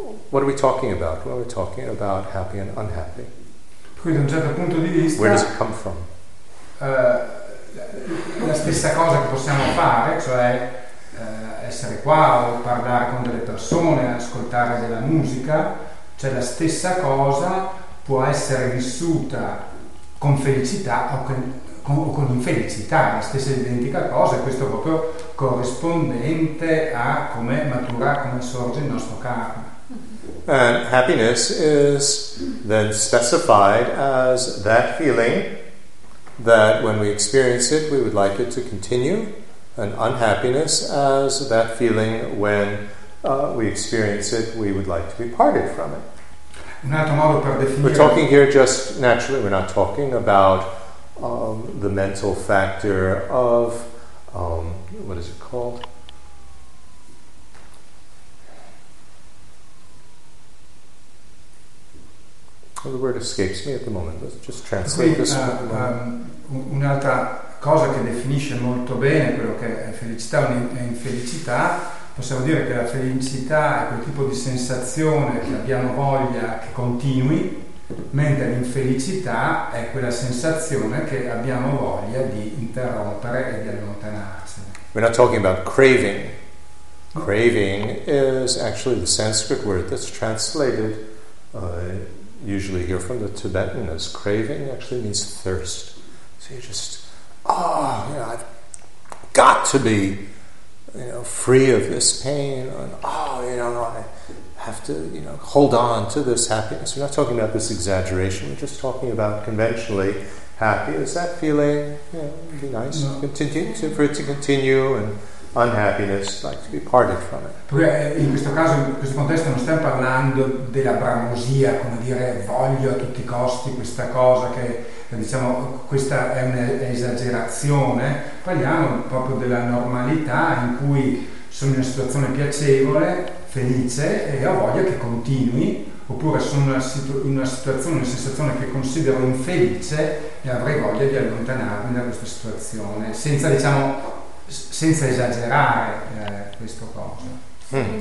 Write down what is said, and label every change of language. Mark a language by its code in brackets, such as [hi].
[en] What are we talking about? What are we talking about, happy and unhappy? [it] Quindi, da un certo punto di vista, [en] where does it come from? [it] La stessa cosa che possiamo fare, cioè essere qua o parlare con delle persone, ascoltare della musica, cioè la stessa cosa può essere vissuta con felicità o con infelicità, la stessa identica cosa, e questo proprio corrispondente a come matura, come sorge il nostro karma. [en] And happiness is then specified as that feeling that when we experience it we would like it to continue, and unhappiness as that feeling when we experience it we would like to be parted from it. [it] Un altro modo per definire... [en] We're talking here just naturally, we're not talking about the mental factor of, what is it called? Well, the word escapes me at the moment, let's just translate [it] qui, [en] this. [it] Un'altra cosa che definisce molto bene quello che è felicità o infelicità, possiamo dire che la felicità è quel tipo di sensazione che abbiamo voglia che continui, mentre l'infelicità è quella sensazione che abbiamo voglia di interrompere e di allontanarsene. [en] We're not talking about craving. Craving is actually the Sanskrit word that's translated usually here from the Tibetan as craving. It actually means thirst. So you just, I've got to be, you know, free of this pain, and I have to, you know, hold on to this happiness. We're not talking about this exaggeration, we're just talking about conventionally happy. Is that feeling, it'd be nice to continue, for it to continue, and unhappiness, like to be parted from it. [it] In questo caso, in questo contesto, non stiamo parlando della bramosia, come dire, voglio a tutti i costi questa cosa che, diciamo, questa è un'esagerazione. Parliamo proprio della normalità in cui sono in una situazione piacevole, felice, e ho voglia che continui, oppure sono in una sensazione che considero infelice e avrei voglia di allontanarmi da questa situazione, senza, diciamo, senza esagerare questo coso.